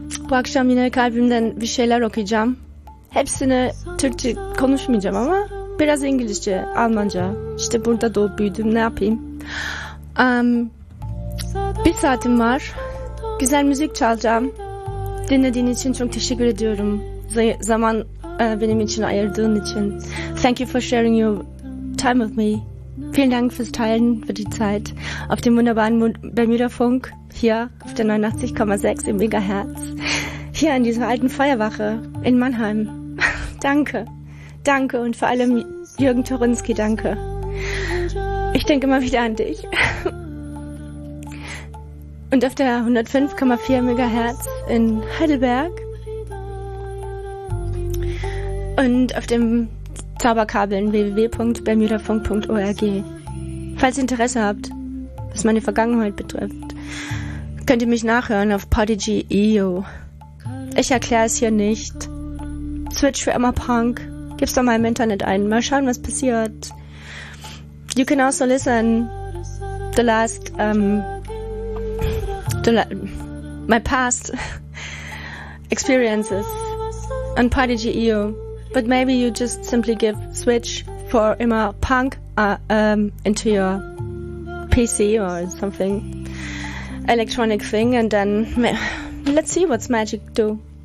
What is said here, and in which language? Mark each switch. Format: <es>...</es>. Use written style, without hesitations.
<tr>Bu akşam yine kalbimden bir şeyler okuyacağım. Hepsini Türkçe konuşmayacağım ama biraz İngilizce, Almanca. İşte burada doğup büyüdüm, ne yapayım? Bir saatim var. Güzel müzik çalacağım. Dinlediğin için çok teşekkür ediyorum. Zaman benim için ayırdığın için.</tr> <en>Thank you for sharing your time with me.</en> <de>Vielen Dank fürs Teilen, für die Zeit auf dem wunderbaren Bermuda-Funk hier auf der 89,6 im Megahertz, hier in dieser alten Feuerwache in Mannheim. Danke, danke, und vor allem Jürgen Torinski, danke. Ich denke immer wieder an dich. Und auf der 105,4 Megahertz in Heidelberg und auf dem Zauberkabeln www.bermudafunk.org. Falls ihr Interesse habt, was meine Vergangenheit betrifft, könnt ihr mich nachhören auf Podigy.io. Ich erkläre es hier nicht. Switch für immer Punk. Gib's doch mal im Internet ein. Mal schauen, was passiert.</de> <en>You can also listen the last my past experiences on Podigy.io. But maybe you just simply give Switch for immer Punk into your PC or something, electronic thing, and then let's see what's magic do.</en>